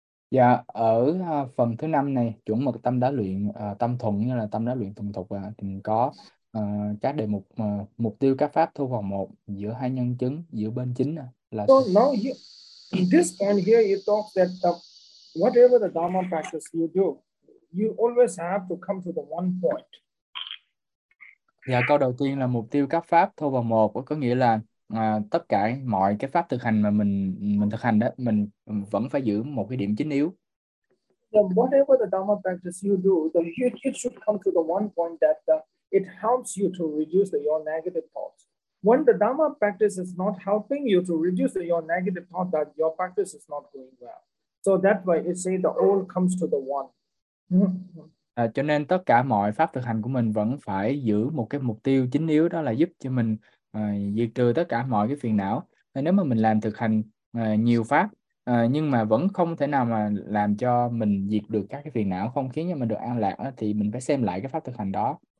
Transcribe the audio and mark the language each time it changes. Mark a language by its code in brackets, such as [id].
[vi] Dạ, ở phần thứ năm này chuẩn mực tâm đã luyện tâm thuận như là tâm đã luyện thuần thục thì có các đề mục mục tiêu các pháp thu vào một giữa hai nhân chứng giữa bên chính là [en] so now you, in this point here you talk that the, whatever the dharma practice you do you always have to come to the one point. [vi] Dạ, câu đầu tiên là mục tiêu các pháp thu vào một có nghĩa là tất cả mọi cái pháp thực hành mà mình thực hành đó mình vẫn phải giữ một cái điểm chính yếu. [en] So whatever the dharma practice you do the it should come to the one point that the it helps you to reduce your negative thoughts. When the Dharma practice is not helping you to reduce your negative thought, that your practice is not going well. So that's why it says the all comes to the one. [vi] Cho nên tất cả mọi pháp thực hành của mình vẫn phải giữ một cái mục tiêu chính yếu đó là giúp cho mình diệt trừ tất cả mọi cái phiền não. Nếu mà mình làm thực hành nhiều pháp nhưng mà vẫn không thể nào mà làm cho mình diệt được các cái phiền não, không khiến cho mình được an lạc thì mình phải xem lại cái pháp thực hành đó.